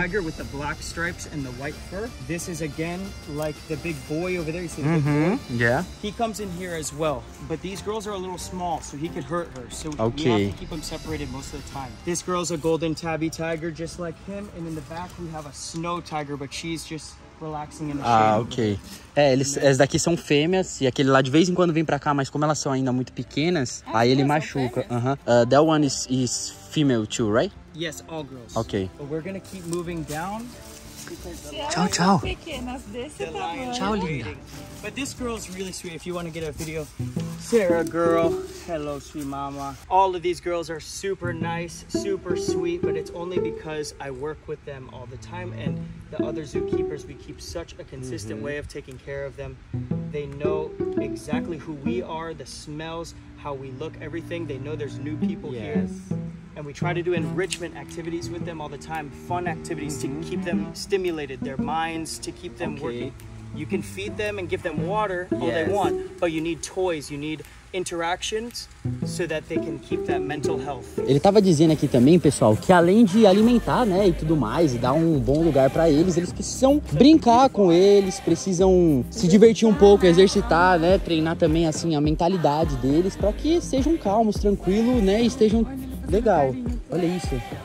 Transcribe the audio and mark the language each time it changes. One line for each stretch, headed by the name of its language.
English: tiger with the black stripes and the white fur. This is again like the big boy over there. You see the mm-hmm. big boy? Yeah. He comes in here as well. But these girls are a little small, so he could hurt her. So okay. We have to keep them separated most of the time. This girl's a golden tabby tiger just like him. And in the back we have a snow tiger, but she's just... Ah, ok.
Portuguese: É, eles, as daqui são fêmeas e aquele lá de vez em quando vem pra cá, mas como elas são ainda muito pequenas, é, aí ele machuca.
English: Uhum. That one is female too, right? Yes, all girls. Ok. But we're gonna keep moving down.
Portuguese: Tchau, tchau. Pequenas desse tamanho. Tchau, linda.
English: But this girl is really sweet. If you want to get a video, Sarah girl. Hello, sweet mama. All of these girls are super nice, super sweet, but it's only because I work with them all the time. And the other zookeepers, we keep such a consistent mm-hmm. way of taking care of them. They know exactly who we are, the smells, how we look, everything. They know there's new people yes. here. And we try to do enrichment activities with them all the time, fun activities mm-hmm. to keep them stimulated, their minds, to keep them okay. working. You can feed them and give them water yes. all they want, but you need toys, you need interactions so that they can keep that mental health.
Portuguese: Ele tava dizendo aqui também, pessoal, que além de alimentar, né, e tudo mais, e dar um bom lugar para eles, eles precisam brincar com eles, precisam se divertir um pouco, exercitar, né, treinar também assim a mentalidade deles para que sejam calmos, tranquilos, né, e estejam legal. Olha isso.